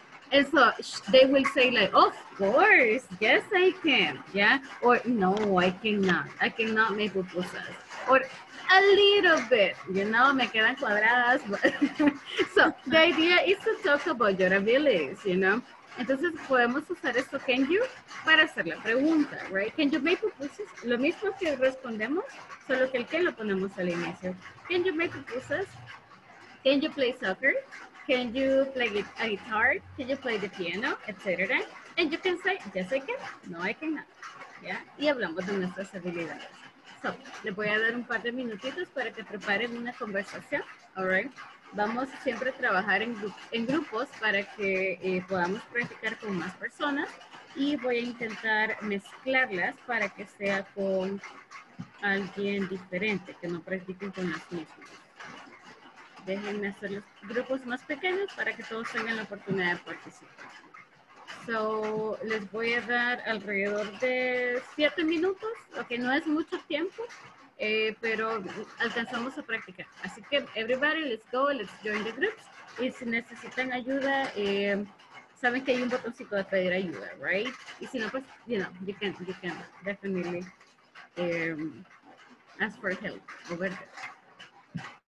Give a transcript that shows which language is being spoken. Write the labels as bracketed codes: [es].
[en] And so they will say like, of course, yes, I can, yeah? Or no, I cannot make pupusas. Or a little bit, you know, [es] me quedan cuadradas. [en] But so the idea is to talk about your abilities, you know? [es] Entonces podemos usar esto, can you, para hacer la pregunta, right? [en] Can you make pupusas? [es] Lo mismo que respondemos, solo que el que lo ponemos al inicio. [en] Can you make pupusas? Can you play soccer? Can you play a guitar? Can you play the piano, etc.? And you can say, yes, I can. No, I cannot. Yeah? [es] Y hablamos de nuestras habilidades. So, le voy a dar un par de minutitos para que preparen una conversación. [en] All right? [es] Vamos siempre a trabajar en grupos para que podamos practicar con más personas. Y voy a intentar mezclarlas para que sea con alguien diferente, que no practiquen con las mismas. Déjenme hacer los grupos más pequeños para que todos tengan la oportunidad de participar. So, les voy a dar alrededor de 7 minutos, lo que no es mucho tiempo, pero alcanzamos a practicar. Así que, [en] everybody, let's go, let's join the groups. [es] Y si necesitan ayuda, saben que hay un botoncito de pedir ayuda, right? Y si no, pues, [en] you know, you can definitely ask for help over there.